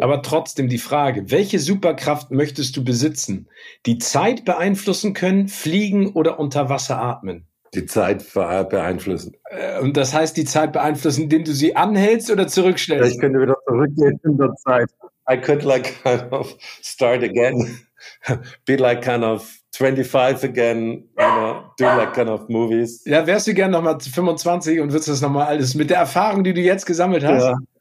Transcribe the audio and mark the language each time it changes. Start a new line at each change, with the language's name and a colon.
German: Aber trotzdem die Frage, welche Superkraft möchtest du besitzen? Die Zeit beeinflussen können, fliegen oder unter Wasser atmen? Die Zeit beeinflussen. Und das heißt, die Zeit beeinflussen, indem du sie anhältst oder zurückstellst? Ich könnte wieder zurückgehen in der Zeit.
English: I could like kind of start again. Be like kind of 25 again, you know, do like kind of movies.
German: Ja, wärst du gern nochmal 25 und würdest das nochmal alles mit der Erfahrung, die du jetzt gesammelt hast?